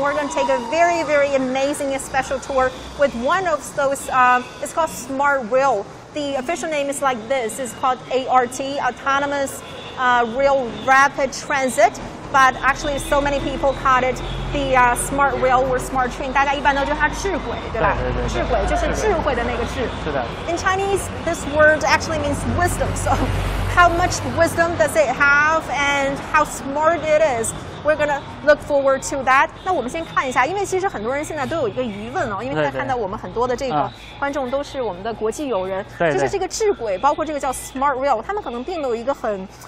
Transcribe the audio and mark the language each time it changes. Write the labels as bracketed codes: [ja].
[en] We're going to take a very, very amazing special tour with one of those, it's called Smart Rail. The official name is like this, it's called ART, Autonomous Rail Rapid Transit. But actually, so many people call it the smart rail or smart train. [zh] 大家一般都叫它智慧，对吧？智慧就是智慧的那个智。是的。 [en] In Chinese, this word actually means wisdom. So, how much wisdom does it have, and how smart it is? We're gonna look forward to that. [zh] 那我们先看一下，因为其实很多人现在都有一个疑问哦，因为现在看到我们很多的这个观众都是我们的国际友人，就是这个智慧，包括这个叫 smart rail， 他们可能并没有一个很。